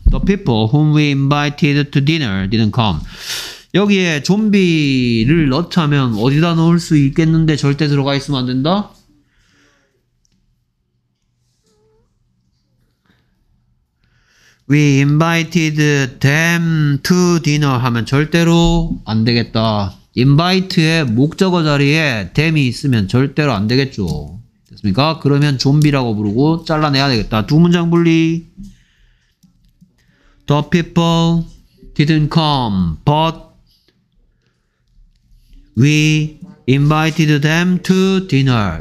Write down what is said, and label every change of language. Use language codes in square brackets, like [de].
[en] The people whom we invited to dinner didn't come. [ko] 여기에 좀비를 넣자면 어디다 넣을 수 있겠는데 절대 들어가 있으면 안 된다? [en] 'We invited them to dinner' [ko] 하면 절대로 안 되겠다. 'invite'의 목적어 자리에 them이 있으면 절대로 안 되겠죠. 됐습니까? 그러면 좀비라고 부르고 잘라내야 되겠다. 두 문장 분리. [en] The people didn't come, but we invited them to dinner.